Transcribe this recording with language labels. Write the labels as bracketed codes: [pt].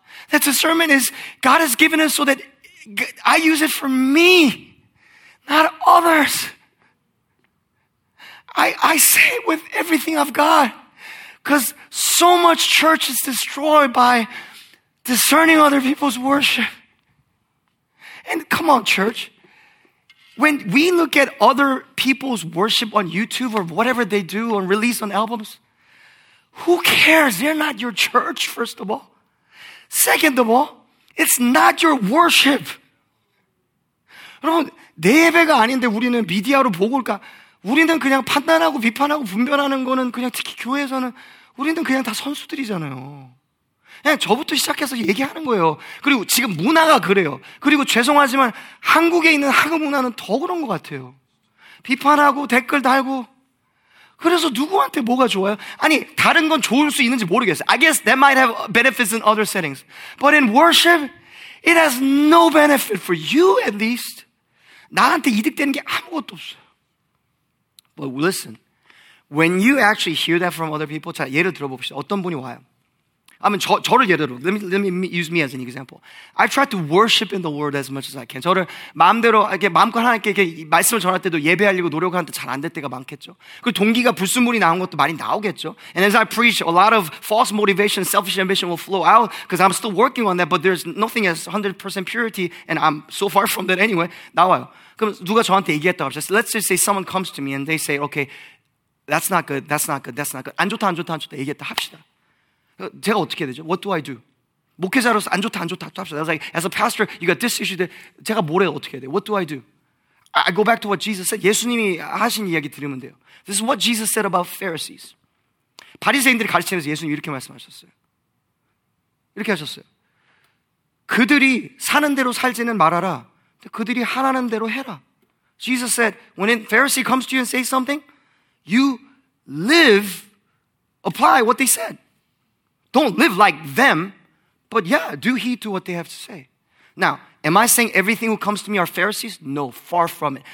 [en] That discernment is God has given us so that I use it for me, not others. I say it with everything I've got, because so much church is destroyed by discerning other people's worship. And come on, church. When we look at other people's worship on YouTube or whatever they do or release on albums, who cares? They're not your church, first of all. Second of all, it's not your worship. [ko] 여러분, 내 예배가 아닌데 우리는 미디어로 보고 올까? 우리는 그냥 판단하고 비판하고 분별하는 거는 그냥 특히 교회에서는 우리는 그냥 다 선수들이잖아요. 그냥 저부터 시작해서 얘기하는 거예요. 그리고 지금 문화가 그래요. 그리고 죄송하지만 한국에 있는 학업 문화는 더 그런 것 같아요. 비판하고 댓글 달고. 그래서 누구한테 뭐가 좋아요? 아니, 다른 건 좋을 수 있는지 모르겠어요. [en] I guess that might have benefits in other settings. But in worship, it has no benefit for you at least. [ko] 나한테 이득되는 게 아무것도 없어요. [en] But listen, when you actually hear that from other people, [ko] 자, 예를 들어봅시다. 어떤 분이 와요? [en] I mean, [ko] 저를 예를 들어. [en] Let me use me as an example. I try to worship in the world as much as I can. [ko] 저를 마음대로, 이렇게 마음껏 하나님께 이렇게 말씀을 전할 때도 예배하려고 노력하는 데 잘 안 될 때가 많겠죠. 그 동기가 불순물이 나온 것도 많이 나오겠죠. [en] And as I preach, a lot of false motivation, selfish ambition will flow out because I'm still working on that, but there's nothing as 100% purity and I'm so far from that anyway. [ko] 나와요. 그럼 누가 저한테 얘기했다고 합시다. [en] Let's just say someone comes to me and they say, okay, that's not good, that's not good, that's not good. [ko] 안 좋다 얘기했다 합시다. 제가 어떻게 되죠? [en] What do I do? [ko] 목회자로서 안 좋다 합시다. [en] I was like, as a pastor, you got this issue. [ko] 제가 뭐래 어떻게 돼? [en] What do I do? I go back to what Jesus said. [ko] 예수님이 하신 이야기 들으면 돼요. [en] This is what Jesus said about Pharisees. [ko] 바리새인들이 가르치면서 예수님이 이렇게 말씀하셨어요. 이렇게 하셨어요. 그들이 사는 대로 살지는 말아라. 그들이 하라는 대로 해라. [en] Jesus said, when a Pharisee comes to you and say something, you live, apply what they said. Don't live like them, but yeah, do heed to what they have to say. Now, am I saying everything who comes to me are Pharisees? No, far from it.